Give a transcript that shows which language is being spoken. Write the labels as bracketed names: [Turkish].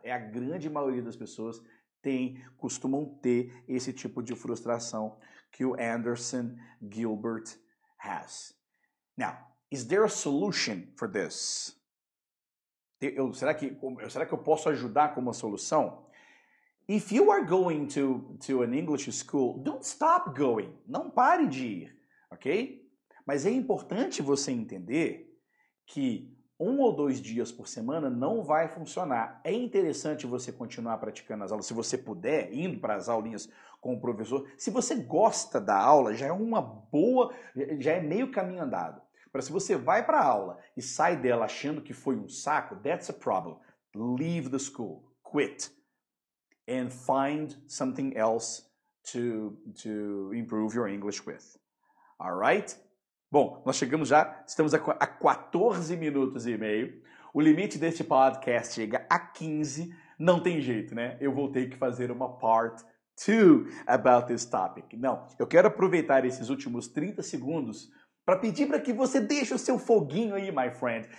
[Portuguese] É a grande maioria das pessoas costumam ter esse tipo de frustração que o Anderson Gilbert has. [English] Now, is there a solution for this? [Portuguese] Será que eu posso ajudar com uma solução? [English] If you are going to an English school, don't stop going. [Portuguese] Não pare de ir. Ok? Mas é importante você entender que um ou dois dias por semana não vai funcionar. É interessante você continuar praticando as aulas, se você puder, indo para as aulinhas com o professor. Se você gosta da aula, já é uma boa, já é meio caminho andado. Agora, se você vai para a aula e sai dela achando que foi um saco, [English] that's a problem. Leave the school. Quit. And find something else to improve your English with. Alright? [Portuguese] Bom, nós chegamos já, estamos a 14 minutos e meio. O limite deste podcast chega a 15. Não tem jeito, né? Eu vou ter que fazer uma [English] part 2 about this topic. [Portuguese] Não, eu quero aproveitar esses últimos 30 segundos para pedir para que você deixe o seu foguinho aí, [English] my friend.